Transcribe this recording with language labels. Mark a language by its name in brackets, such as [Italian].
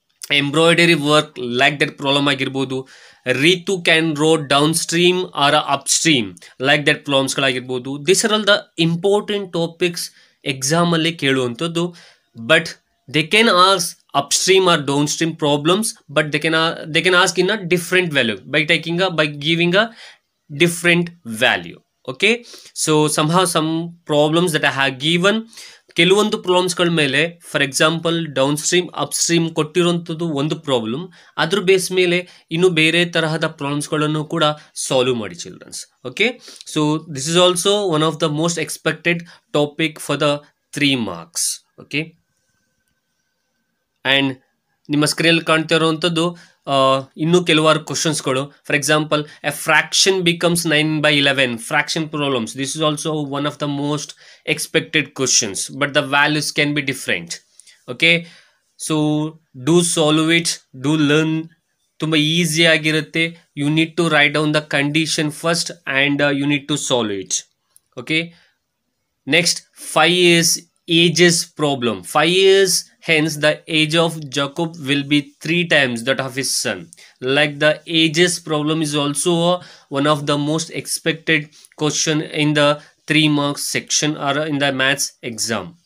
[English] embroidery work like that problem agirbodu, Ritu can row downstream or upstream like that problems agirbodu. These are all the important topics [Kannada] exam alli kelluvantadu, [English] but they can ask upstream or downstream problems, but they can ask in a different value by taking a by giving a different value. Okay, so somehow some problems that I have given, [Kannada] ಕೆಲವೊಂದು ಪ್ರಾಬ್ಲಮ್ಸ್ಗಳ ಮೇಲೆ for example down stream up stream ಕೊಟ್ಟಿರುವಂಥದ್ದು ಒಂದು problem, ಅದ್ರ base ಮೇಲೆ ಇನ್ನೂ ಬೇರೆ ತರಹದ ಪ್ರಾಬ್ಲಮ್ಸ್ಗಳನ್ನು ಕೂಡ ಸಾಲ್ವ್ ಮಾಡಿ children's. [English] Okay, so this is also one of the most expected topic for the 3 marks. [Kannada] Okay, and ನಿಮ್ಮ ಸ್ಕ್ರೀನಲ್ಲಿ ಕಾಣ್ತಾ ಇರುವಂಥದ್ದು ಇನ್ನೂ ಕೆಲವಾರು ಕ್ವಶನ್ಸ್ಗಳು. [English] For example a fraction becomes 9/11 fraction problems, this is also one of the most expected questions, but the values can be different. Okay, so do solve it, do learn, [Kannada] ತುಂಬ easy ಆಗಿರುತ್ತೆ. [English] You need to write down the condition first and you need to solve it. Okay, next 5 years ages problem. 5 years hence the age of Jacob will be 3 times that of his son. Like the ages problem is also one of the most expected question in the 3 marks section or in the maths exam.